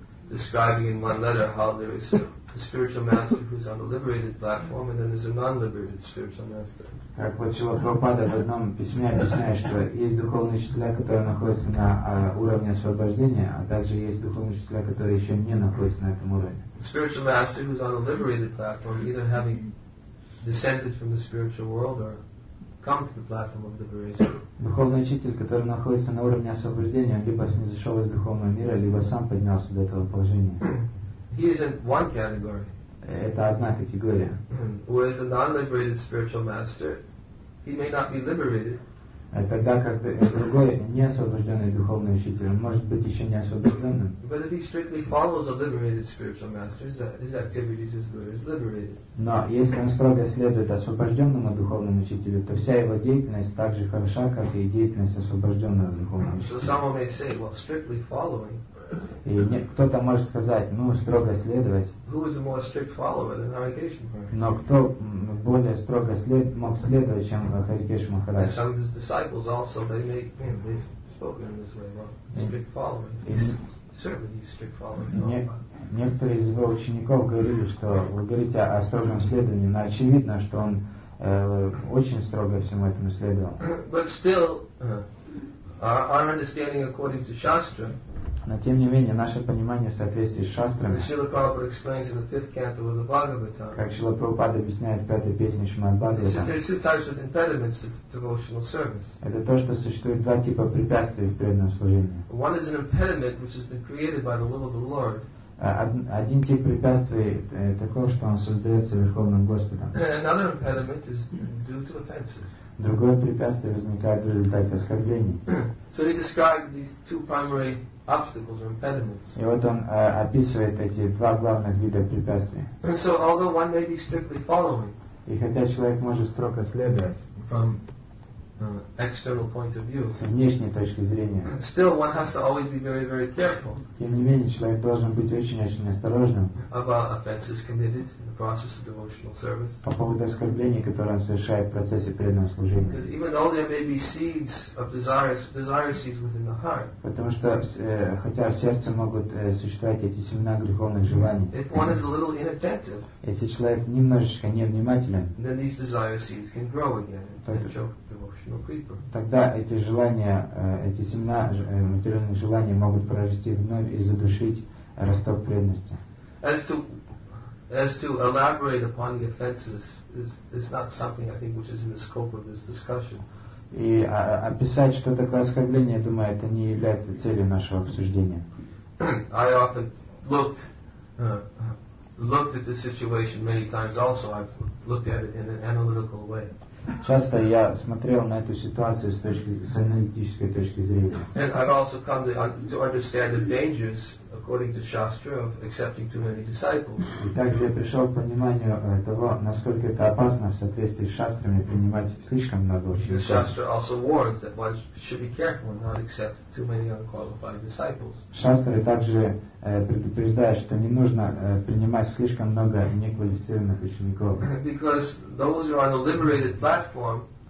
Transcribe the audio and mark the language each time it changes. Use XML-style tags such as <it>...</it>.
<en>Describing in one letter how there is a spiritual master who is on the liberated platform and then there's a non-liberated spiritual master.</en> <ru>Как вот Шрила Прабхупада в одном письме объясняет, что есть духовные учителя, которые находятся на уровне освобождения, а также есть духовные учителя, которые еще не находятся на этом уровне.</ru> <en>The spiritual master who is on the liberated platform, either having descended from the spiritual world or come to the platform of liberation.</en> <ru>Духовный учитель, который находится на уровне освобождения, либо снизошел из духовного мира, либо сам поднялся до этого положения.</ru> <en>He is in one category.</en> <ru>Это одна категория.</ru> <en>Whereas a non-liberated spiritual master, he may not be liberated.</en> <ru>Тогда как другой неосвобожденный духовный учитель, он может быть еще не освобожденным.</ru> <en>But if he strictly follows a liberated spiritual master, his activities is good as liberated.</en> <ru>Но если он строго следует освобожденному духовному учителю, то вся его деятельность так же хороша, как и деятельность освобожденного духовного учителя.</ru> <en>So someone may say, well, strictly following,</en> <ru>И кто-то может сказать, ну, строго следовать.</ru> <en>Who is the more strict follower than Hare Krishna?</en> <ru>Но кто более строго мог следовать, чем Hare Krishna Maharaj?</ru> <en>Some of his disciples also, they may, you know, they've spoken in this way, well, strict following. Certainly he's strict following.</en> <ru>Некоторые из его учеников говорили, что вы говорите о строгом следовании, но очевидно, что он очень строго всему этому следовал.</ru> <en>But still, our understanding according to Shastra.</en> <ru>Но тем не менее, наше понимание в соответствии с шастрами,</ru> <en>Srila Prabhupada explains in the fifth canto of the Bhagavatam,</en> <ru>как Srila Prabhupada объясняет в пятой песне Шримад Бхагаватам,</ru> <en>there are two types of impediments to devotional service.</en> <ru>Это то, что существует два типа препятствий в преданном служении.</ru> <en>One is an impediment which has been created by the will of the Lord.</en> <ru>Один тип препятствий такой, что он создается Верховным Господом.</ru> <en>Another impediment is due to offenses.</en> <ru>Другое препятствие возникает в результате оскорблений.</ru> <en>So he described these two primary obstacles or impediments.</en> <ru>И вот он описывает эти два главных вида препятствий.</ru> <en>So although one may be strictly following,</en> <ru>и хотя человек может строго следовать,</ru> <en>from external point of view,</en> <ru>с внешней точки зрения,</ru> <en>still one has to always be very, very careful.</en> <ru>Тем не менее, человек должен быть очень-очень осторожным</ru> <en>about offenses committed in the process of devotional service.</en> <ru>По поводу оскорблений, которые он совершает в процессе преданного служения.</ru> <en>Because even though there may be seeds of desire seeds within the heart.</en> <ru>Потому что хотя в сердце могут существовать эти семена греховных желаний.</ru> <en>If one is a little inattentive,</en> <ru>если человек немножечко невнимателен,</ru> <en>then these desire seeds can grow again and choke.</en> <ru>Тогда эти желания, эти семена материальных желаний могут прорасти вновь и задушить росток преданности.</ru> <en>As to elaborate upon the offenses is not something I think which is in the scope of this discussion.</en> <ru>И описать, что такое оскорбление, я думаю, это не является целью нашего обсуждения.</ru> <en>I often looked at the situation many times also. I've looked at it in an analytical way.</en> <ru>Часто я смотрел на эту ситуацию с аналитической точки зрения.</ru> <en>And I've also come to understand the dangers, according to Shastra, of accepting too many disciples.</en> <ru>И также я пришел к пониманию того, насколько это опасно в соответствии с шастрами принимать слишком много учеников.</ru> <en>Shastra also warns that one should be careful and not accept too many unqualified disciples.</en> <ru>Шастра также предупреждает, что не нужно принимать слишком много неквалифицированных учеников.</ru> <en>Because those who are on the liberated platform.</en>